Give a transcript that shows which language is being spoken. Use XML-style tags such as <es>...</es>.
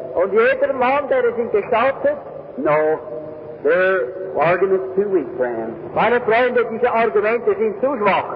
<de>Und jeder Mann, der es ihm gestattet hat.</de> <en>No. Their argument is too weak, friend.</en> <de>Meine Freunde, diese Argumente sind zu schwach.</de>